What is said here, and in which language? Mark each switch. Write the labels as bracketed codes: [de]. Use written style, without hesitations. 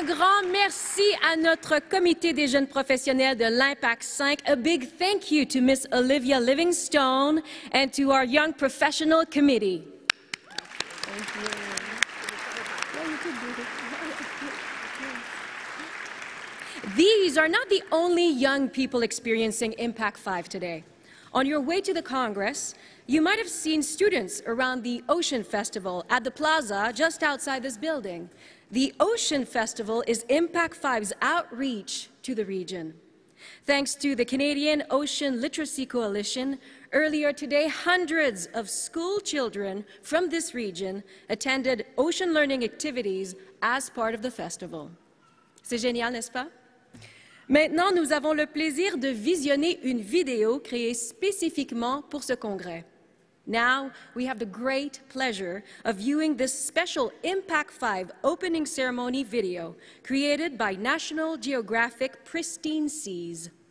[fr] Un grand merci à notre comité des jeunes professionnels de l'IMPAC 5. [en] A big thank you to Miss Olivia Livingstone and to our Young Professional Committee. Thank you. These are not the only young people experiencing IMPAC 5 today. On your way to the Congress, you might have seen students around the Ocean Festival at the plaza just outside this building. The Ocean Festival is IMPAC 5's outreach to the region. Thanks to the Canadian Ocean Literacy Coalition, earlier today, hundreds of school children from this region attended ocean learning activities as part of the festival. [fr] C'est génial, n'est-ce pas? Maintenant, nous avons le plaisir de visionner une vidéo créée spécifiquement pour ce congrès. [en] Now, we have the great pleasure of viewing this special IMPAC 5 opening ceremony video created by National Geographic Pristine Seas.